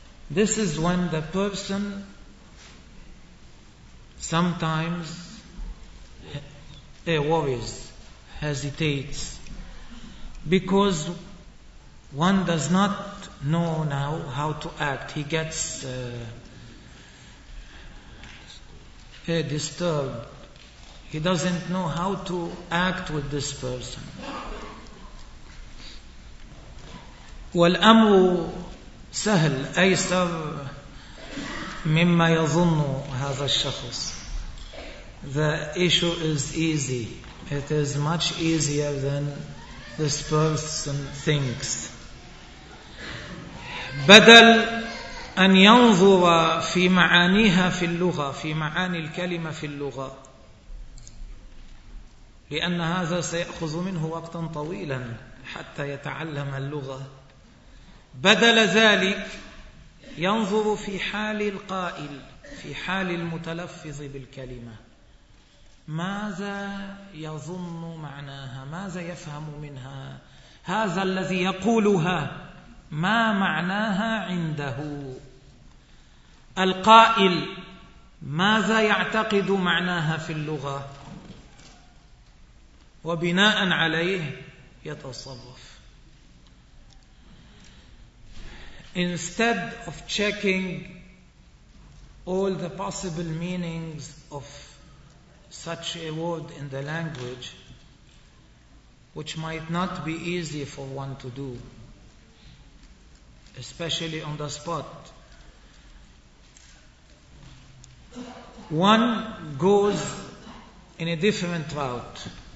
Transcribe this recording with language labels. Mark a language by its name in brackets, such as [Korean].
[English] This is when the person sometimes worries, hesitates, because one does not know now how to act. He gets disturbed. He doesn't know how to act with this person. [Arabic] والأمر سهل أيسر مما يظن هذا الشخص. [English] The issue is easy. It is much easier than this person thinks. [Arabic] بدل أن ينظر في معانيها في اللغة، في معاني الكلمة في اللغة، لأن هذا سيأخذ منه وقتا طويلا حتى يتعلم اللغة، بدل ذلك ينظر في حال القائل، في حال المتلفظ بالكلمة، ماذا يظن معناها، ماذا يفهم منها، هذا الذي يقولها ما معناها عنده، القائل ماذا يعتقد معناها في اللغة، وبناء عليه يتصرف. [English] Instead of checking all the possible meanings of such a word in the language, which might not be easy for one to do, especially on the spot, one goes in a different route.